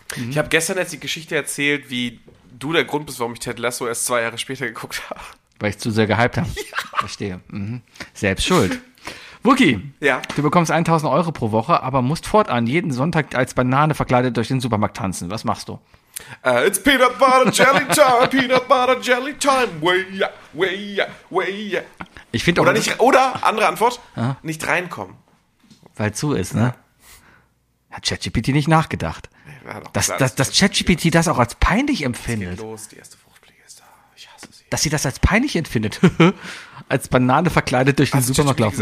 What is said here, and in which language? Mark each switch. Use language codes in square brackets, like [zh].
[de] Ich habe gestern jetzt die Geschichte erzählt, wie du der Grund bist, warum ich Ted Lasso erst 2 Jahre später geguckt habe. Weil ich zu sehr gehypt habe. Ja. Verstehe. Mhm. Selbst schuld. Wookie, ja. Du bekommst 1.000 Euro pro Woche, aber musst fortan jeden Sonntag als Banane verkleidet durch den Supermarkt tanzen. Was machst du? [en] It's peanut butter jelly time, peanut butter jelly time. Way-ya, way-ya, way-ya. [de] Ich finde oder nicht oder andere Antwort nicht reinkommen, weil zu ist, ne? Hat ChatGPT nicht nachgedacht? Nee, dass ChatGPT das auch als peinlich empfindet. Jetzt geht los, die erste Fruchtfliege ist da. Ich hasse sie. Dass sie das als peinlich empfindet. Als Banane verkleidet durch den Supermarkt laufen.